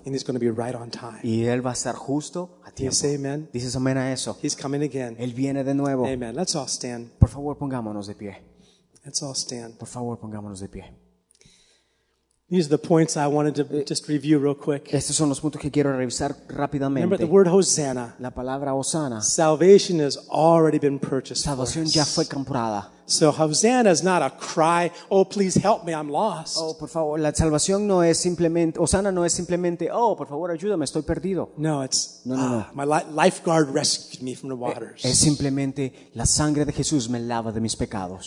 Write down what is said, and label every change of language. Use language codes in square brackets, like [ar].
[en] And he's going to be right on time. [es] Y él va a estar justo. [en] You say amen. [es] Dices amén a eso. [en] He's coming again. [es] Él viene de nuevo. [en] Amen. Let's all stand. [es] Por favor, pongámonos de pie. [en] Let's all stand. [es] Por favor, pongámonos de pie. [en] These are the points I wanted to just review real quick. [es] Estos son los puntos que quiero revisar rápidamente. [en] Remember the word Hosanna. [es] La palabra Hosanna. [en] Salvation has already been purchased. [es] Salvación ya fue comprada. [en] So Hosanna is not a cry, oh please help me, I'm lost. [es] Oh, por favor, la salvación no es simplemente, Hosanna no es simplemente, oh, por favor, ayúdame, estoy perdido. [en] No, it's [es] no. [en] My lifeguard rescued me from the waters. [es] Es simplemente la sangre de Jesús me lava de mis pecados.